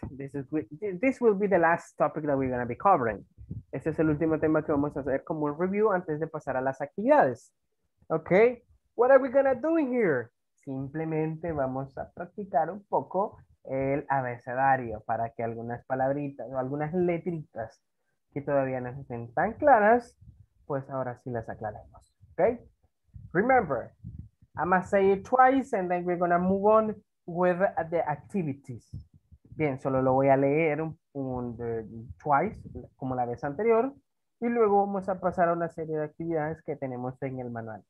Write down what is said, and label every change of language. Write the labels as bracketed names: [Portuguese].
[English] This will be the last topic that we're going to be covering. [Spanish] Este es el último tema que vamos a hacer como un review antes de pasar a las actividades. [English] Okay, what are we going to do in here? [Spanish] Simplemente vamos a practicar un poco el abecedario para que algunas palabritas o algunas letritas que todavía no estén tan claras, pues ahora sí las aclaremos. [English] Okay? Remember, I'm gonna say it twice and then we're gonna move on with the activities. [Spanish] Bien, solo lo voy a leer twice, como la vez anterior, y luego vamos a pasar a una serie de actividades que tenemos en el manual.